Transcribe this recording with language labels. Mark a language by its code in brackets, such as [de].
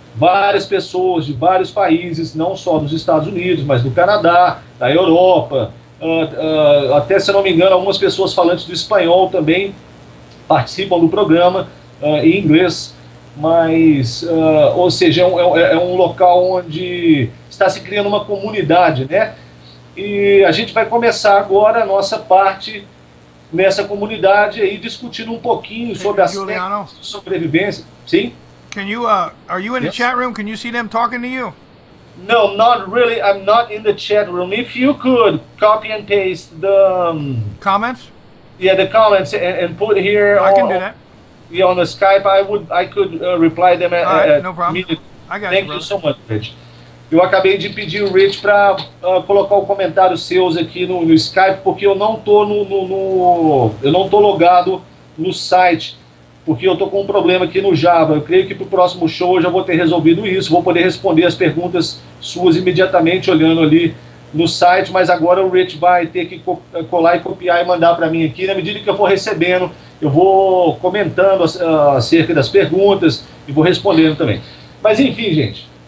[pt] várias pessoas de vários países, não só dos Estados Unidos, mas do Canadá, da Europa, até, se não me engano, algumas pessoas falantes do espanhol também participam do programa, em inglês, mas, ou seja, é um local onde está se criando uma comunidade, né? E a gente vai começar agora a nossa parte nessa comunidade aí, discutindo um pouquinho sobre as técnicas de sobrevivência. Sim? [en] Can you, are you in the chat room? Can you see them talking to you? No, not really. I'm not in the chat room. If you could copy and paste the... comments? Yeah, the comments, and put here... I can do that. Yeah, on the Skype, I could reply them at... All right, no problem. I got you, brother. Thank you so much, Rich. [pt] Eu acabei de pedir o Rich para colocar o comentário seus aqui no Skype, porque eu não estou eu não tô logado no site, porque eu estou com um problema aqui no Java. Eu creio que para o próximo show eu já vou ter resolvido isso, vou poder responder as perguntas suas imediatamente olhando ali no site, mas agora o Rich vai ter que colar e copiar e mandar para mim aqui. Na medida que eu for recebendo, eu vou comentando acerca das perguntas e vou respondendo também. Mas enfim, gente.